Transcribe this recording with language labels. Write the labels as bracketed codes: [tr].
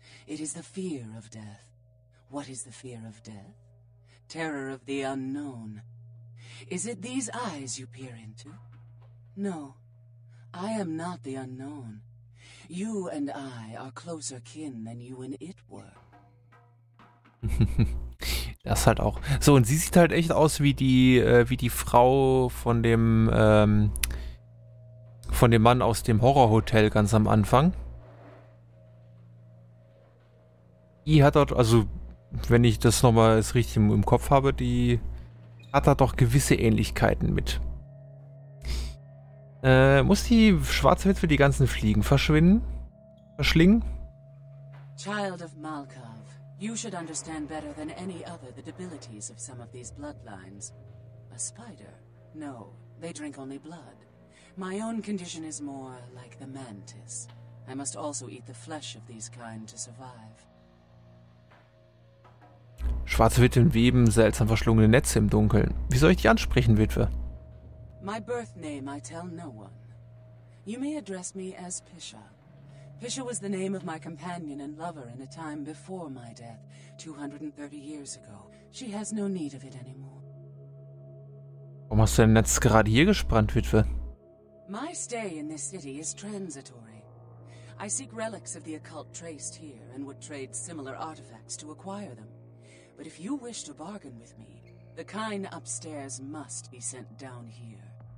[en] It is the fear of death. What is the fear of death? Terror of the unknown. Is it these eyes you peer into? No. I am not the unknown. You and I are closer kin than you and it were. [de] Das halt auch. So, und sie sieht halt echt aus wie die Frau von dem Mann aus dem Horrorhotel ganz am Anfang. Die hat dort, also, wenn ich das nochmal richtig im Kopf habe, die hat da doch gewisse Ähnlichkeiten mit. Muss die schwarze Witwe die ganzen Fliegen verschwinden? Verschlingen? [en] Child of Malka. You should understand better than any other the debilities of some of these bloodlines. A spider? No, they drink only blood. My own condition is more like the mantis. I must also eat the flesh of these kind to survive. [de] Schwarze Witwen weben seltsam verschlungene Netze im Dunkeln. Wie soll ich dich ansprechen, Witwe? [en] My birth name I tell no one. You may address me as Pisha. Pisha was the name of my companion and lover in a time before my death, 230 years ago. She has no need of it anymore. [de] Warum hast du denn jetzt gerade hier gespannt, Witwe? [en] My stay in this city is transitory. I seek relics of the occult traced here and would trade similar artifacts to acquire them. But if you wish to bargain with me, the kind upstairs must be sent down here.